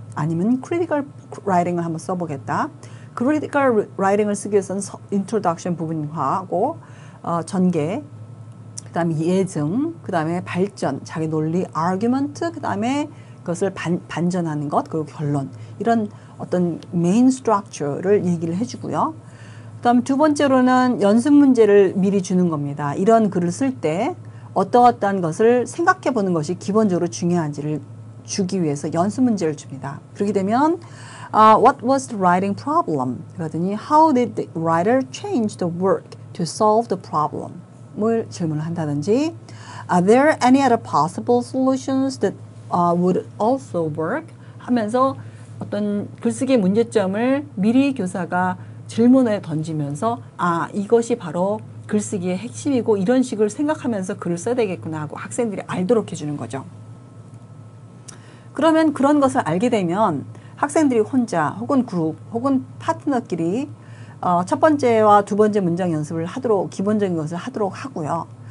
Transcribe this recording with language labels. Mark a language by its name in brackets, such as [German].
[Korean] 아니면 critical writing을 한번 써보겠다. critical writing을 쓰기 위해서는 introduction 부분화하고 전개, 그 다음에 예증, 그 다음에 발전, 자기 논리, argument, 그 다음에 그것을 반전하는 것, 그리고 결론, 이런 어떤 main structure를 얘기를 해주고요. 그 다음 두 번째로는 연습 문제를 미리 주는 겁니다. 이런 글을 쓸 때 어떠어떠한 것을 생각해 보는 것이 기본적으로 중요한지를 주기 위해서 연습 문제를 줍니다. 그렇게 되면 [English] What was the writing problem? [Korean] 그러더니 [English] How did the writer change the work to solve the problem? [Korean] 뭘 질문을 한다든지 [English] Are there any other possible solutions that would also work? [Korean] 하면서 어떤 글쓰기 문제점을 미리 교사가 질문에 던지면서 이것이 바로 글쓰기의 핵심이고 이런 식으로 생각하면서 글을 써야 되겠구나 하고 학생들이 알도록 해주는 거죠. 그러면 그런 것을 알게 되면 학생들이 혼자 혹은 그룹 혹은 파트너끼리 첫 번째와 두 번째 문장 연습을 하도록 기본적인 것을 하도록 하고요.